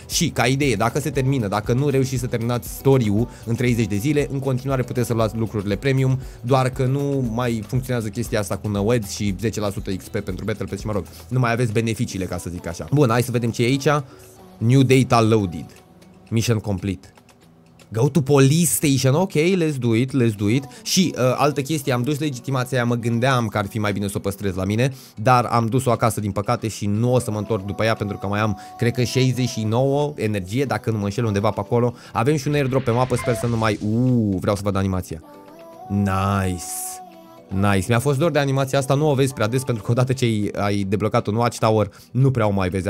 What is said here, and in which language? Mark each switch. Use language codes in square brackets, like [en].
[ro] Și, ca idee, dacă se termină, dacă nu reușiți să terminați story-ul în 30 de zile, în continuare puteți să luați lucrurile premium, doar că nu mai funcționează chestia asta cu no ads și 10% XP pentru Battle Pass și, mă rog, nu mai aveți beneficiile, ca să zic așa. Bun, hai să vedem ce e aici. [en] New data loaded. Mission complete. Go to police station, ok, let's do it, let's do it. [ro] Și altă chestie, am dus legitimația aia, mă gândeam că ar fi mai bine să o păstrez la mine, dar am dus-o acasă din păcate și nu o să mă întorc după ea, pentru că mai am, cred că 69 energie, dacă nu mă înșel, undeva pe acolo. Avem și un airdrop pe mapă, sper să nu mai... vreau să văd animația. Nice. Nice, mi-a fost dor de animația asta, nu o vezi prea des pentru că odată ce ai deblocat un watchtower nu prea o mai vezi.